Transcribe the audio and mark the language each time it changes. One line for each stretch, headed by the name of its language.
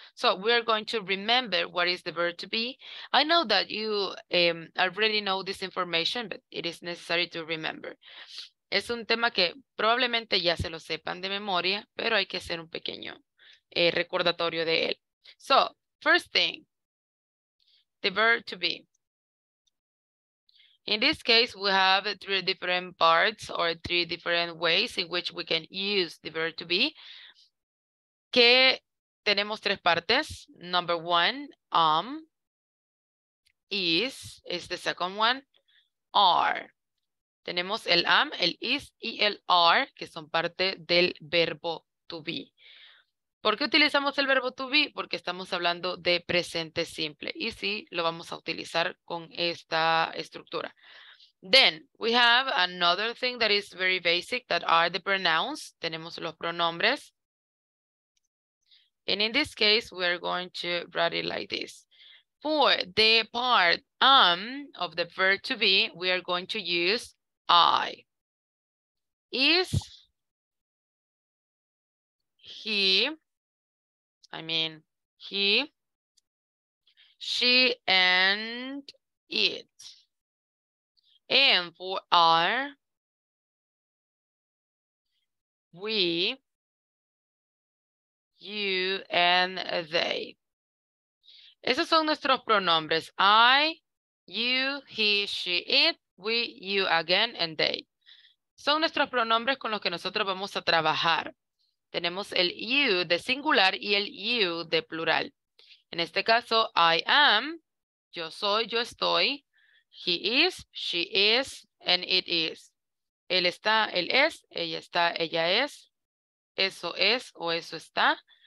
English: So we are going to remember what is the verb to be. I know that you already know this information, but it is necessary to remember.
Spanish: Es un tema que probablemente ya se lo sepan de memoria, pero hay que hacer un pequeño recordatorio de él.
English: So, first thing, the verb to be. In this case, we have three different parts or three different ways in which we can use the verb to be.
Spanish: Que tenemos tres partes.
English: Number one, is the second one, are.
Spanish: Tenemos el am, el is y el are, que son parte del verbo to be. ¿Por qué utilizamos el verbo to be? Porque estamos hablando de presente simple. Y sí, lo vamos a utilizar con esta estructura.
English: Then, we have another thing that is very basic, that are the pronouns.
Spanish: Tenemos los pronombres.
English: And in this case, we're going to write it like this. For the part of the verb to be, we are going to use I. Is he, I mean, he, she, and it. And for are, we, you, and they.
Spanish: Esos son nuestros pronombres.
English: I, you, he, she, it, we, you, again, and they.
Spanish: Son nuestros pronombres con los que nosotros vamos a trabajar. Tenemos el you de singular y el you de plural. En este caso,
English: I am,
Spanish: yo soy, yo estoy,
English: he is, she is, and it is.
Spanish: Él está, él es, ella está, ella es, eso es o eso está.